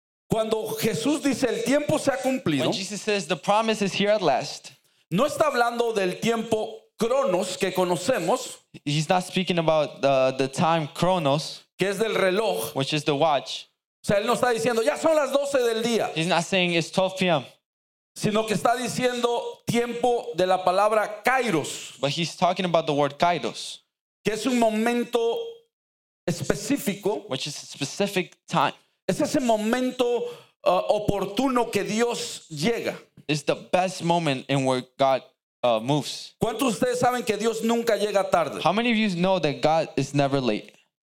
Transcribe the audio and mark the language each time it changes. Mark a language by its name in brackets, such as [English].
[Spanish] Cuando Jesús dice el tiempo se ha cumplido. [English] When Jesus says the promise is here at last. [Spanish] No está hablando del tiempo Cronos que conocemos. [English] He's not speaking about the time Cronos, [Spanish] que es del reloj, [English] which is the watch. [Spanish] O sea, él no está diciendo ya son las 12 del día. [English] He's not saying it's 12 p.m. [Spanish] Sino que está diciendo tiempo de la palabra Kairos. [English] But he's talking about the word Kairos, [Spanish] que es un momento específico, [English] which is a specific time. [Spanish] Es ese momento oportuno que Dios llega. [English] It's the best moment in where God moves. [Spanish] ¿Cuántos de ustedes saben que Dios nunca llega tarde? [English] How many of you know that God is never late?